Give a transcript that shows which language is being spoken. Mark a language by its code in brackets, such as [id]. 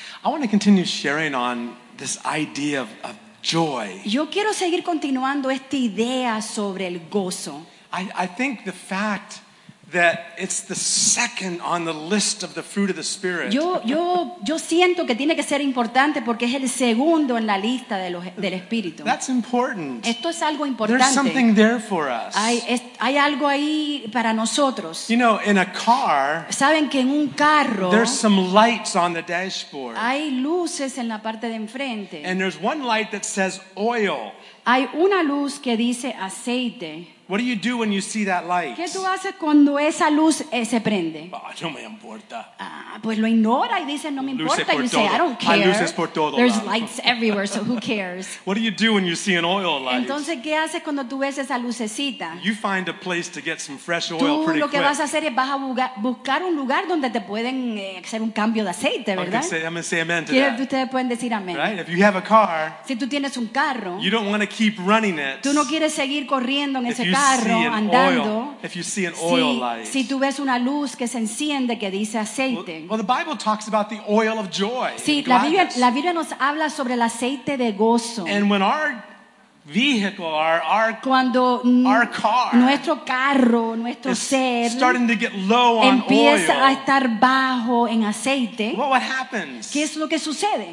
[en] I want to continue sharing on this idea of joy. [es] Yo quiero seguir continuando esta idea sobre el gozo. [en] I think the fact that it's the second on the list of the fruit of the Spirit. [es] Yo siento que tiene que ser importante porque es el segundo en la lista de del Espíritu. [en] That's important. [es] Esto es algo importante. [en] There's something there for us. [es] Hay algo ahí para nosotros. [en] You know, in a car, [es] saben que en un carro, [en] there's some lights on the dashboard. [es] Hay luces en la parte de enfrente. [en] And there's one light that says oil. [es] Hay una luz que dice aceite. [en] What do you do when you see that light? [es] ¿Qué tú haces cuando esa luz se prende? No me importa. Pues lo ignora y dice no me importa. [en] You say I don't care. [es] Hay luces por todo. [en] There's lights everywhere, so who cares? What do you do when you see an oil light? [es] Entonces, ¿qué haces cuando tú ves esa lucecita? [en] You find a place to get some fresh oil [es] tú, [en] pretty quick. [es] Tú lo que vas a hacer es vas a buscar un lugar donde te pueden hacer un cambio de aceite, ¿verdad? [en] Okay, I'm gonna say amen to [es] ¿quieres [en] that? [es] Ustedes pueden decir amén. [en] Right? If you have a car, [es] si tú tienes un carro, [en] you don't want to keep running it. [es] Tú no quieres seguir corriendo en ese carro. [en] If you see an oil light, [es] si tú ves una luz que se enciende que dice aceite. [en] Well, the Bible talks about the oil of joy. [es] Sí, la Biblia nos habla sobre el aceite de gozo. [en] And when our vehicle, our [es] cuando [en] our car, [es] nuestro carro, nuestro ser, [en] starting to get low on [es] empieza [en] oil, [es] a estar bajo en aceite. [en] Well, what happens? [es] ¿Qué es lo que sucede?